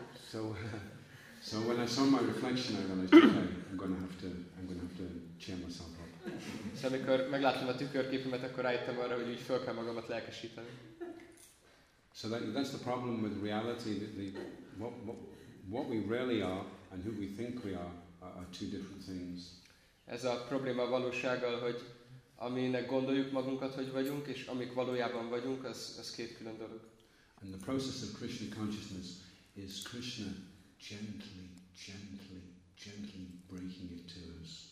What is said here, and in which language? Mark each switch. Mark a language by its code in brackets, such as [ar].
[en] So when I saw my reflection, I realized, okay, I'm gonna have to cheer myself up. [hu] So amikor megláttam a tükörképemet, akkor rájöttem arra, hogy úgy fel kell magamat lelkesíteni. [en] So that's the problem with reality. What we really are and who we think we are two different things. [hu] Ez a probléma a valósággal, hogy aminek gondoljuk magunkat, hogy vagyunk, és amik valójában vagyunk, az két külön dolog. [en] And the process of Krishna consciousness is Krishna gently breaking it to us.